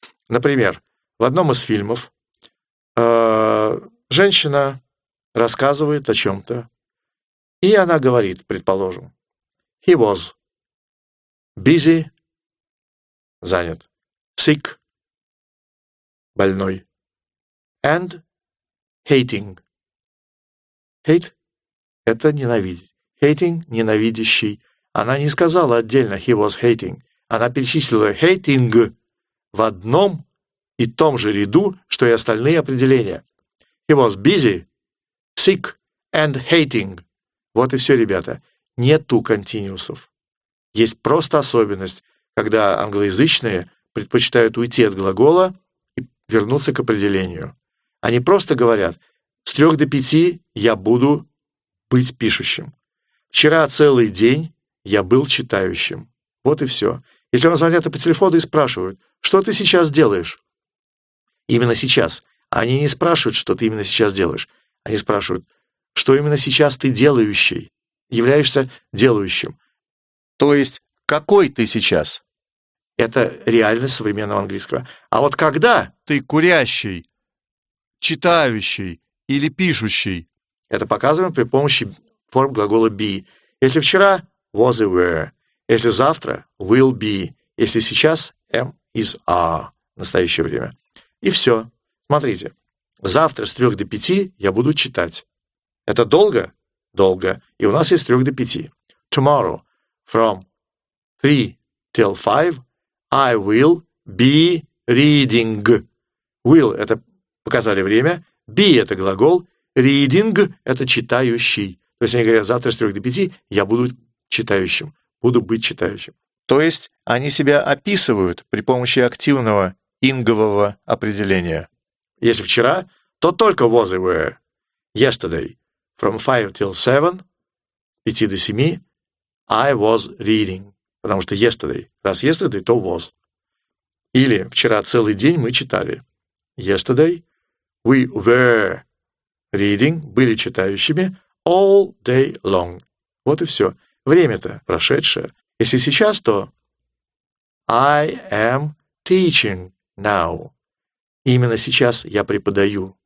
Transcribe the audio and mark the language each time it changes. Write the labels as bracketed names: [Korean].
[Russian] Например, в одном из фильмов женщина рассказывает о чем-то, и она говорит, предположим, [English] he was busy, [Russian] занят, sick, больной, [English] and hating. [Russian] Hate – это ненавидеть. Hating – ненавидящий. Она не сказала отдельно [English] he was hating. [Russian] Она перечислила hating в одном и том же ряду, что и остальные определения. [English] He was busy, sick, and hating. [Russian] Вот и все, ребята. Нету континиусов. Есть просто особенность, когда англоязычные предпочитают уйти от глагола и вернуться к определению. Они просто говорят, с 3 до 5 я буду быть пишущим. Вчера целый день я был читающим. Вот и все. Если вам звонят по телефону и спрашивают, что ты сейчас делаешь? Именно сейчас. Они не спрашивают, что ты именно сейчас делаешь. Они спрашивают, что именно сейчас ты делающий, являешься делающим. То есть, какой ты сейчас? Это реальность современного английского. А вот когда? Ты курящий, читающий или пишущий? Это показываем при помощи форм глагола be. Если вчера – was и were. Если завтра – will be. Если сейчас – am, is, are. В настоящее время. И все. Смотрите, завтра с 3 до 5 я буду читать. Это долго? Долго. И у нас есть с 3 до 5. [English] Tomorrow from 3 till 5 I will be reading. [Russian] Will – это показали время. Be – это глагол. Reading – это читающий. То есть они говорят, завтра с 3 до 5 я буду читающим. Буду быть читающим. То есть они себя описывают при помощи активного ингового определения. Если вчера, то только was и were. [English] Yesterday, from 5 till 7, 5 до 7, I was reading. [Russian] Потому что yesterday. Раз yesterday, то was. Или вчера целый день мы читали. [English] Yesterday, we were reading, [Russian] были читающими, [English] all day long. [Russian] Вот и все. Время-то прошедшее. Если сейчас, то [English] I am teaching now. [Russian] Именно сейчас я преподаю.